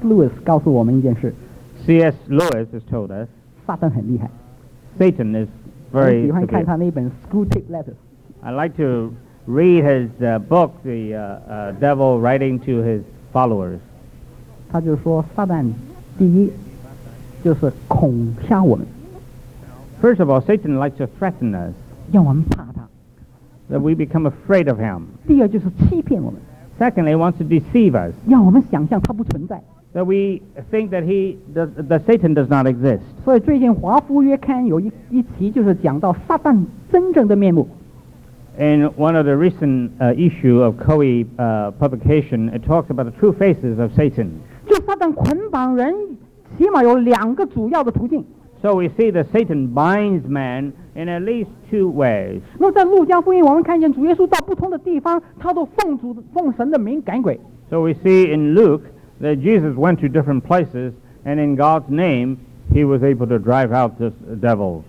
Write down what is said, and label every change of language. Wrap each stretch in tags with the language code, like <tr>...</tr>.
<zh>Lewis 告诉我们一件事。</zh> <en>C.S. Lewis has told us,</en> <zh>撒旦很厉害。</zh> <en>Satan is very</en> <zh>我喜欢看他那本 Screwtape Letters.</zh> <en>I like to read his book, The Devil Writing to His Followers.</en> <zh>他就说撒旦第一就是恐吓我们</zh> <en>First of all, Satan likes to threaten us</en> <zh>让我们怕他</zh> <en>That we become afraid of him</en> <zh>第二就是欺骗我们</zh> <en>Secondly, he wants to deceive us</en> <zh>让我们想象他不存在</zh> <en>That we think that that Satan does not exist</en> <zh>所以最近华夫约刊有一期就是讲到撒旦真正的面目</zh> <en>In one of the recent issue of Coe publication, it talks about the true faces of Satan.</en> <zh>就撒旦捆绑人，起码有两个主要的途径。</zh> <en>So we see that Satan binds man in at least two ways.</en> <zh>那在路加福音，我们看见主耶稣到不同的地方，他都奉神的名赶鬼。</zh> <en>So we see in Luke that Jesus went to different places, and in God's name, he was able to drive out this devil.</en>